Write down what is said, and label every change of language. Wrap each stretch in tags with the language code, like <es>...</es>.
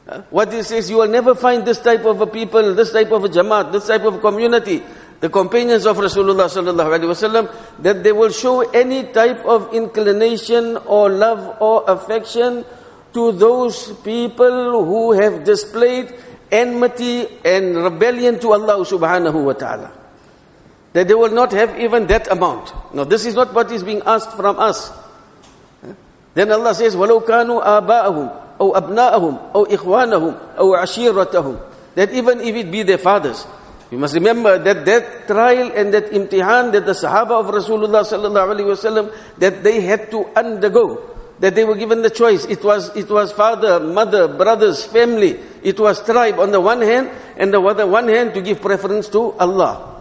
<en>What He says, you will never find this type of a people, this type of a jamaat, this type of a community, the companions of Rasulullah sallallahu alaihi wasallam, that they will show any type of inclination or love or affection to those people who have displayed enmity and rebellion to Allah subhanahu wa ta'ala. That they will not have even that amount. Now, this is not what is being asked from us. Then Allah says,</en> <ar>وَلَوْ كَانُوا آبَاءَهُمْ أَوْ أَبْنَاءَهُمْ أَوْ إِخْوَانَهُمْ أَوْ عَشِيرَتَهُمْ.</ar> <en>That even if it be their fathers, you must remember that trial and that imtihan that the Sahaba of Rasulullah sallallahu alaihi wasallam, that they had to undergo, that they were given the choice. It was father, mother, brothers, family. It was tribe on the one hand, and the other one hand to give preference to Allah.</en>